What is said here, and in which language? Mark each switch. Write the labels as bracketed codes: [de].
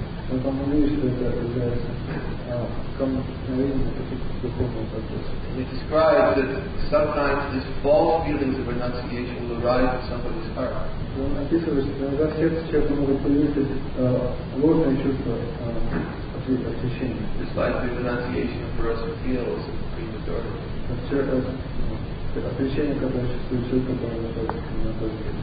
[ru] Но там он видит, что это является камнем каких-то духовных процессов. [en] It describes that sometimes these false feelings of renunciation will arise in somebody's heart. [ru] Он описывает, что иногда в сердце человека могут появиться ложные чувства отречения. Отречение, которое чувствует человек, который находится в